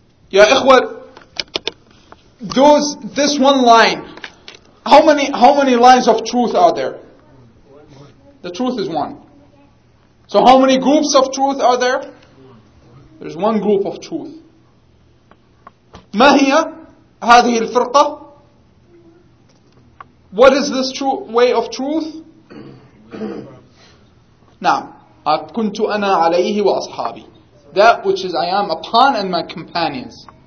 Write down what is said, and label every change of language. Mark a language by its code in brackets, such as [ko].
[en] Ya ikhwat, this one line, how many lines of truth are there? The truth is one. So how many groups of truth are there? There's one group of truth. [ar] ما هي هذه الفرقة؟ [en] What is this true way of truth? [ar] نعم، كنت أنا عليه وأصحابي. [en] That which is I am upon and my companions.